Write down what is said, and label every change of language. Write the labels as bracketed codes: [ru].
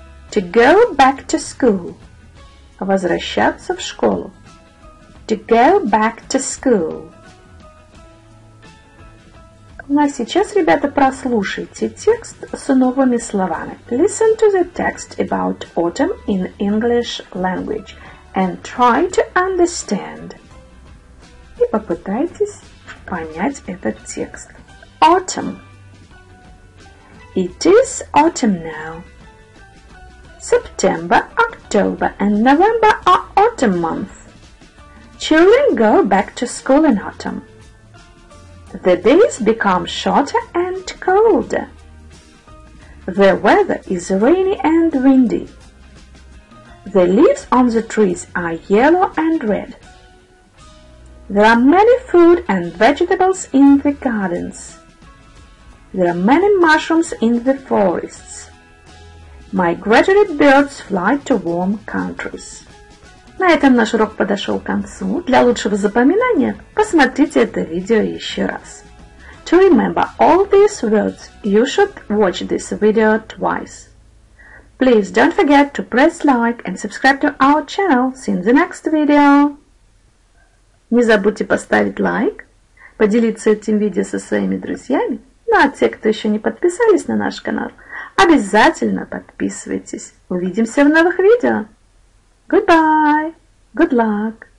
[en] To go back to school. [ru] Возвращаться в школу. [en] To go back to school. [ru] Ну, а сейчас, ребята, прослушайте текст с новыми словами. [en] Listen to the text about autumn in English language and try to understand. [ru] И попытайтесь понять этот текст. [en] Autumn. It is autumn now. September, October and November are autumn months. Children go back to school in autumn. The days become shorter and colder. The weather is rainy and windy. The leaves on the trees are yellow and red. There are many food and vegetables in the gardens. There are many mushrooms in the forests. Migratory birds fly to warm countries. [ru] На этом наш урок подошел к концу. Для лучшего запоминания посмотрите это видео еще раз. [en] To remember all these words, you should watch this video twice. Please don't forget to press like and subscribe to our channel. See you in the next video. [ru] Не забудьте поставить лайк, поделиться этим видео со своими друзьями. Ну а те, кто еще не подписались на наш канал, обязательно подписывайтесь. Увидимся в новых видео. [en] Goodbye. Good luck.